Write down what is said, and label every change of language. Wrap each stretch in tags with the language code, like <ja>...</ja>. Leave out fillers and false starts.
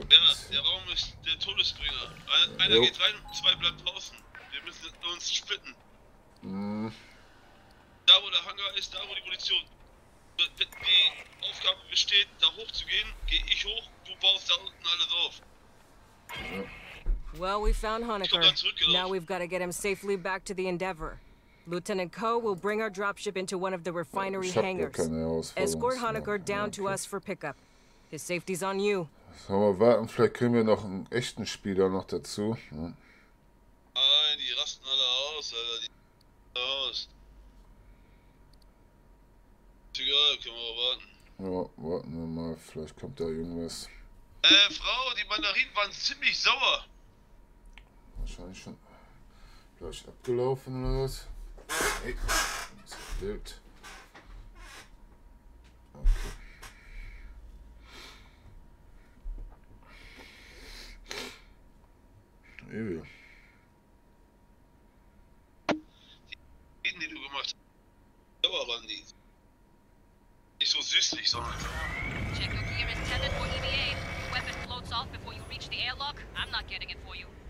<de>Ja, der Raum ist der Todesbringer. Einer geht rein, zwei bleiben draußen. Wir müssen uns splitten. Da wo der Hangar ist, da wo die Munition. Die Aufgabe besteht, da hoch zu gehen, geh ich hoch, du baust da unten alles auf. Ja.</de> <en>Well, we found Honecker. Now we've got to get him safely back to the Endeavor. Lieutenant Ko will bring our dropship into one of the refinery hangars. Escort Honecker down to us for pickup. His safety's on you.</en> <de>So, mal warten, vielleicht kriegen wir noch einen echten Spieler noch dazu. Nein, die rasten alle aus, Alter. Die rasten alle aus. Ist egal, können wir aber warten. Ja, warten wir mal, vielleicht kommt da irgendwas. Frau, die Mandarinen waren ziemlich sauer. Wahrscheinlich schon gleich abgelaufen oder was? Hey, das ist wild. Okay. Übel. Die, die du gemacht hast, sauer waren die. Nicht so süßlich, sondern.</de> <en>Check your gear is tethered for EVA. Your weapon floats off before you reach the airlock. I'm not getting it for you.</en>